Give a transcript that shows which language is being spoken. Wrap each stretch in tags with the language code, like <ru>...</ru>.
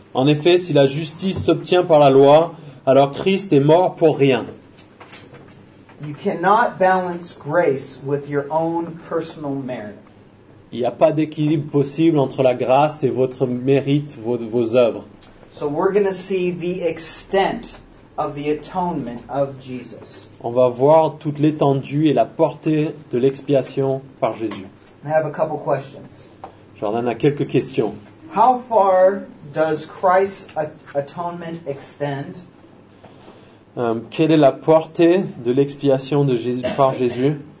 <fr>En effet, si la justice s'obtient par la loi, alors Christ est mort pour rien.</fr> <en>You cannot balance grace with your own personal merit.</en> <fr>Il n'y a pas d'équilibre possible entre la grâce et votre mérite, vos œuvres.</fr> <en>So we're going to see the extent of the atonement of Jesus.</en> <fr>On va voir toute l'étendue et la portée de l'expiation par Jésus.</fr> <en>I have a couple questions.</en> <fr>Jordan a quelques questions.</fr> <en>How far does Christ's atonement extend?</en> <fr>Quelle est la portée de l'expiation de Jésus, par Jésus?</fr>